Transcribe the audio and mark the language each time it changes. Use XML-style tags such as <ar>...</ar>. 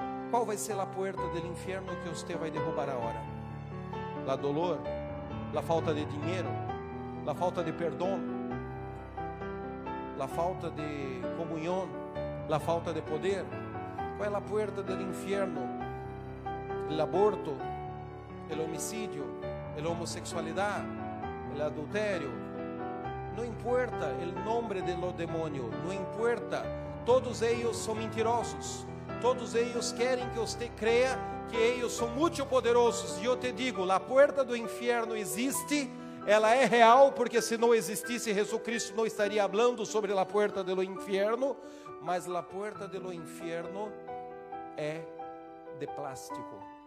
<pt>Qual vai ser a porta do inferno que você vai derrubar agora? A dolor? A falta de dinheiro? A falta de perdão? A falta de comunhão? A falta de poder? Qual é a porta do inferno? O aborto?</pt> <es>El homicídio, la homosexualidad, el adulterio, no importa el nombre de los demonios, no importa, todos ellos son mentirosos, todos ellos quieren que usted crea que ellos son mucho poderosos. Yo te digo, la puerta del infierno existe,</es> <pt>ela é real, porque se não existisse,</pt> <es>Jesucristo</es> <pt>não estaria</pt> <es>hablando sobre la puerta del infierno, mas la puerta del infierno</es> <pt>é de plástico.</pt>